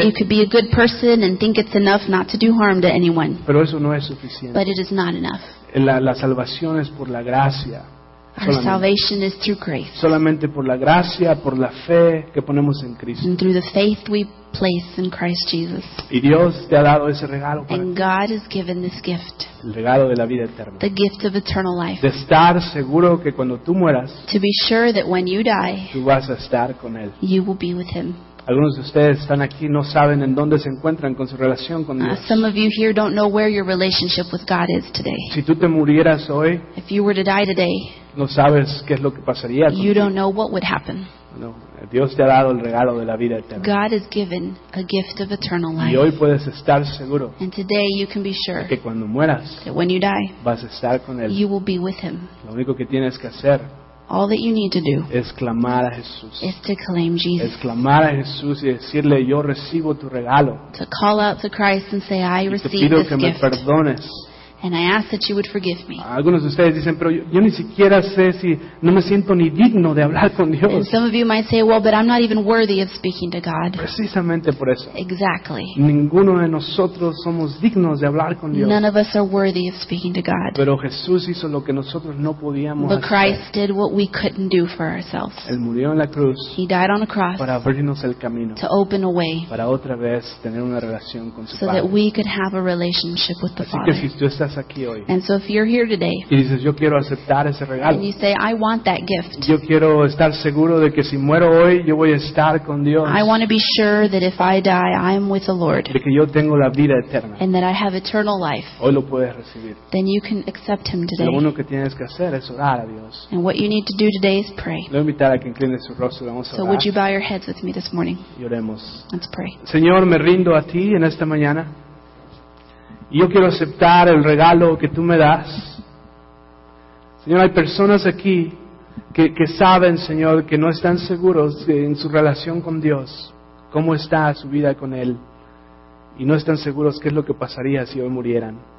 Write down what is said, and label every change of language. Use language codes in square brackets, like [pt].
[en] You could be a good person and think it's enough not to do harm to anyone. [es] Pero eso no es suficiente. [en] But it is not enough. [es] La salvación es por la gracia. [en] Our solamente. Salvation is through grace. [es] Solamente por la gracia, por la fe que ponemos en Cristo. [en] And through the faith we place in Christ Jesus. [es] Y Dios te ha dado ese regalo para [en] and [es] ti. [en] God has given this gift. [es] El regalo de la vida eterna. [en] The gift of eternal life. [es] De estar seguro que cuando tú mueras, [en] to be sure that when you die, [es] tú vas a estar con él. [en] You will be with him. [es] Algunos de ustedes están aquí no saben en dónde se encuentran con su relación con Dios. [en] Some of you here don't know where your relationship with God is today. [es] Si tú te murieras hoy, [en] if you were to die today, [es] no sabes qué es lo que pasaría. [en] You don't know what would happen. [es] No, Dios te ha dado el regalo de la vida eterna. [en] God has given a gift of eternal life. [es] Y hoy puedes estar seguro. [en] And today you can be sure [es] que cuando mueras, [en] that when you die, [es] vas a estar con él. [en] You will be with him. [es] Lo único que tienes que hacer, [en] all that you need to do, [es] es clamar a Jesús. [en] Is to claim Jesus. [es] Es clamar a Jesús y decirle, yo recibo tu regalo. [en] To call out to Christ and say, I receive gift. [es] Y te pido que me perdones. [en] And I ask that you would forgive me. [es] Algunos de ustedes dicen, pero yo ni siquiera sé si no me siento ni digno de hablar con Dios. [en] And some of you might say, well, but I'm not even worthy of speaking to God. [es] Precisamente por eso. [en] Exactly. [es] Ninguno de nosotros somos dignos de hablar con Dios. [en] None of us are worthy of speaking to God. [es] Pero Jesús hizo lo que nosotros no podíamos hacer. [en] But Christ did what we couldn't do for ourselves. [es] Él murió en la cruz. [en] He died on a cross. [es] Para abrirnos el camino. [en] To open a way. [es] Para otra vez tener una relación con su Padre. [en] So that we could have a relationship with the Father. [es] Así que si tú estás aquí hoy, [en] and so if you're here today, [es] y dices, yo quiero aceptar ese regalo, [en] and you say, I want that gift, [es] yo quiero estar seguro de que si muero hoy, yo voy a estar con Dios, [en] I want to be sure that if I die, I'm with the Lord, [es] de que yo tengo la vida eterna, [en] and that I have eternal life, [es] hoy lo puedes recibir, [en] then you can accept him today. [es] Lo único que tienes que hacer es orar a Dios. [en] And what you need to do today is pray. [es] Le voy a invitar a que incline su rostro, vamos a orar. [en] So would you bow your heads with me this morning? [es] Y oremos. [en] Let's pray. [es] Señor, me rindo a ti en esta mañana. Yo quiero aceptar el regalo que tú me das. Señor, hay personas aquí que saben, Señor, que no están seguros en su relación con Dios, cómo está su vida con Él, y no están seguros qué es lo que pasaría si hoy murieran.